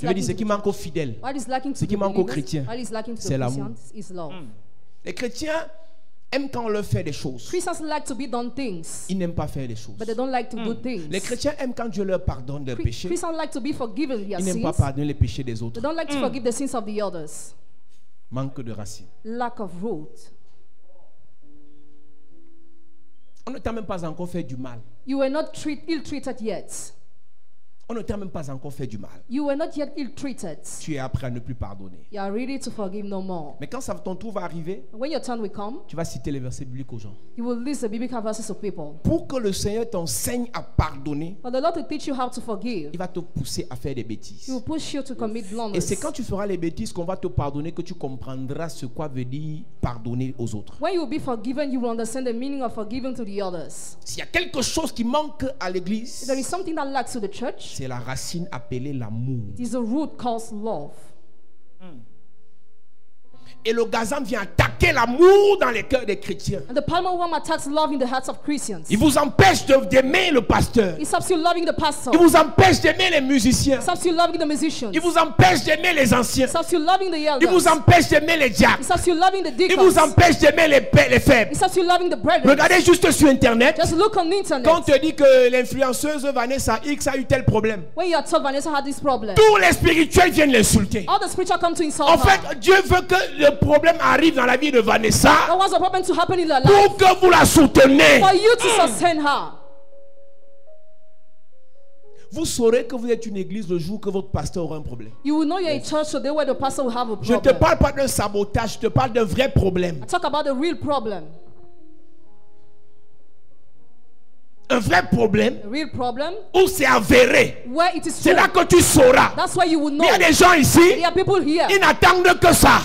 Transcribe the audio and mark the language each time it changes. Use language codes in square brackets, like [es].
[fr] je veux dire, ce qui manque aux fidèles. [en] What is lacking to [fr] ce qui manque aux chrétiens. [en] What is lacking to [fr] c'est l'amour. [en] Is love. [fr] Les chrétiens aiment quand on leur fait des choses. [en] Christians like to be done things. [fr] Ils n'aiment pas faire des choses. [en] But they don't like to do things. [fr] Les chrétiens aiment quand Dieu leur pardonne leurs péchés. [en] Christians like to be forgiven their sins. [fr] Ils n'aiment pas pardonner les péchés des autres. [en] They don't like to forgive the sins of the others. [fr] Manque de racines. [en] Lack of root. [fr] On ne t'a même pas encore fait du mal. [en] You were not ill-treated yet. [fr] On ne t'a même pas encore fait du mal. [en] You were not yet ill-treated. [fr] Tu es prêt à ne plus pardonner. [en] You are ready to forgive no more. [fr] Mais quand ça, ton tour va arriver, [en] when your turn will come, [fr] tu vas citer les versets bibliques aux gens. [en] You will list the biblical verses to people. [fr] Pour que le Seigneur t'enseigne à pardonner, [en] for the Lord to teach you how to forgive, [fr] il va te pousser à faire des bêtises. [en] He will push you to commit blunders. [fr] Et c'est quand tu feras les bêtises qu'on va te pardonner que tu comprendras ce qu'a veut dire pardonner aux autres. [en] When you will be forgiven, you will understand the meaning of forgiving to the others. [fr] S'il y a quelque chose qui manque à l'église, [en] if there is something that lacks to the church, [fr] c'est la racine appelée l'amour. [en] It is a root called love. [fr] Et le gazan vient attaquer l'amour dans les cœurs des chrétiens. [en] And the palmer worm attacks love in the hearts of Christians. [fr] Il vous empêche d'aimer le pasteur. [en] It stops you loving the pastor. [fr] Il vous empêche d'aimer les musiciens. [en] It stops you loving the musicians. [fr] Il vous empêche d'aimer les anciens. [en] It stops you loving the elders. [fr] Il vous empêche d'aimer les diacres. [en] It stops you loving the deacons. [fr] Il vous empêche d'aimer les faibles. [en] It stops you loving the brethren. [fr] Regardez juste sur internet. [en] Just look on internet. [fr] Quand on te dit que l'influenceuse Vanessa X a eu tel problème. [en] When you are told Vanessa had this problem. [fr] Tous les spirituels viennent l'insulter. [en] All the spiritual come to insult her. [fr] En fait, Dieu veut que le problème arrive dans la vie de Vanessa. [en] That was a problem to happen in her life. [fr] Pour que vous la soutenez. [en] For you to sustain her. [fr] Vous saurez que vous êtes une église le jour que votre pasteur aura un problème. [en] You will know you're a church today where the pastor will have a problem. [fr] Je ne te parle pas d'un sabotage, je te parle d'un vrai problème. [en] I talk about a real problem. [fr] Un vrai problème, [en] a real problem, [fr] où c'est avéré, [en] where it is [fr] c'est [en] true. [fr] Là que tu sauras. [en] That's where you will know. [fr] Il y a des gens ici, [en] there are people here. [fr] Ils n'attendent que ça.